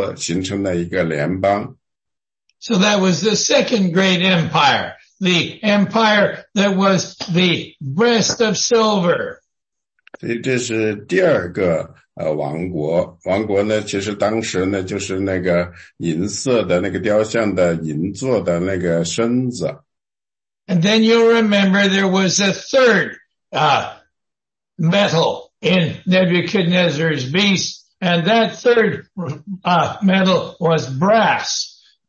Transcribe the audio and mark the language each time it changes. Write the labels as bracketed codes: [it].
[zh] 因为口齿内衔着三根肋骨，所以这三根肋骨呢，大概是指那三个王国和那个当时的马代那个波斯王国所形成的一个联邦。 [en] So that was the second great empire, the empire that was the breast of silver. [zh] 所以这是第二个王国，王国呢，其实当时呢就是那个银色的那个雕像的银座的那个身子。 [en] And then you'll remember there was a third metal in Nebuchadnezzar's beast, and that third metal was brass.